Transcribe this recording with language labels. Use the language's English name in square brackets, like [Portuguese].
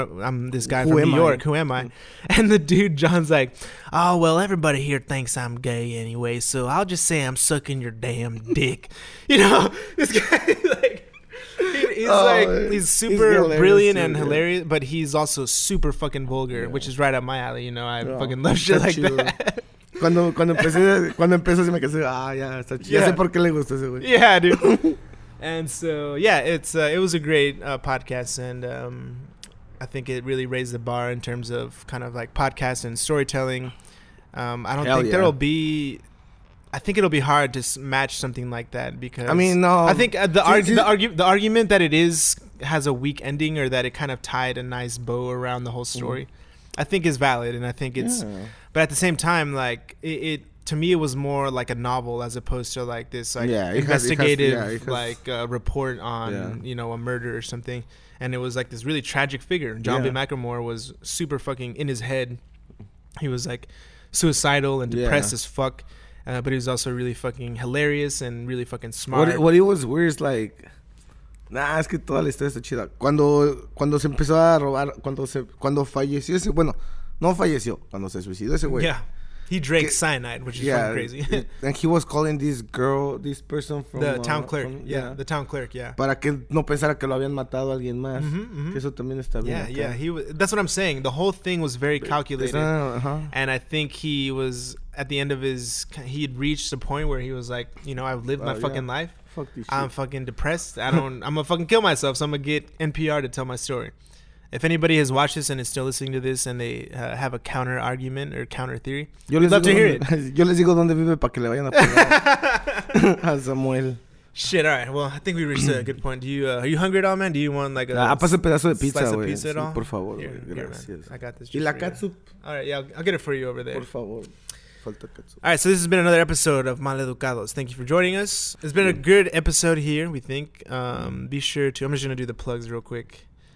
[English] I'm this guy Who from New York. I? Who am I? And the dude, John's like, oh, well, everybody here thinks I'm gay anyway. So I'll just say I'm sucking your damn dick. You know, this guy, like, he's super brilliant and hilarious, but he's also super fucking vulgar, yeah. which is right up my alley. You know, I fucking love shit like that. [Spanish] Cuando empecé, se me quedé, yeah, está chido. Yeah. Ya sé por qué le gustó ese güey. [English] Yeah, dude. And so, yeah, it's it was a great podcast, and I think it really raised the bar in terms of kind of like podcast and storytelling. I think it'll be hard to match something like that because I mean, no. I think the argument that it is has a weak ending, or that it kind of tied a nice bow around the whole story. Mm. I think is valid, and I think it's, yeah. but at the same time, like it to me, it was more like a novel as opposed to like this like yeah, investigative has, yeah, has, like report on yeah. you know, a murder or something. And it was like this really tragic figure. John yeah. B. McLemore was super fucking in his head. He was like suicidal and depressed yeah. as fuck, but he was also really fucking hilarious and really fucking smart. What it was weird is like. [Spanish] Nah, es que toda la historia está chida. Cuando se empezó a robar, cuando falleció ese, bueno, no falleció, cuando se suicidó ese güey. [English] Yeah, he drank cyanide, which is yeah, fucking crazy. And he was calling this person from... The town clerk, the town clerk, yeah. [Spanish] Para que no pensara que lo habían matado a alguien más. Mm-hmm, mm-hmm. Que eso también está bien. [English] Yeah, [Spanish] acá. [English] Yeah, that's what I'm saying. The whole thing was very calculated. And I think he was, at the end of his, he had reached a point where he was like, you know, I've lived my fucking life. Fuck this shit. I'm fucking depressed. I'm gonna fucking kill myself. So I'm gonna get NPR to tell my story. If anybody has watched this and is still listening to this and they have a counter argument or counter theory, I'd love to hear it. [Spanish] Yo les digo dónde vive para que le vayan a pegar a Samuel. [English] Shit. All right. Well, I think we reached a good point. Do you are you hungry at all, man? Do you want like a [Spanish] pase pedazo de pizza, [English] slice of pizza at all? [Spanish] Sí, por favor. [English] Here, [Spanish] gracias. [English] I got this. [Spanish] Y la catsup. [English] All right. Yeah, I'll get it for you over there. [Spanish] Por favor. [English] All right, so this has been another episode of Maleducados. Thank you for joining us. It's been a good episode here, we think. Be sure to... I'm just going to do the plugs real quick.